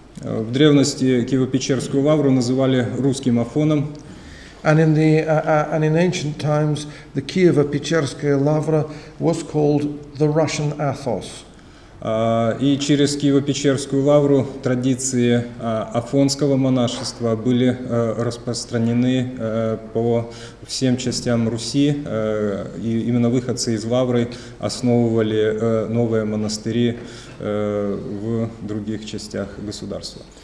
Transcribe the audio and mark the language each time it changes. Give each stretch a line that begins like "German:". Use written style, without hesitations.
Russian: В древности Киево-Печерскую Лавру называли русским Афоном.
English: And in the and in ancient times, the Kiev-Pechersky Lavra was called the Russian Athos.
Russian: И через Киево-Печерскую лавру традиции афонского монашества были распространены по всем частям Руси, и именно выходцы из лавры основывали новые монастыри в других частях государства.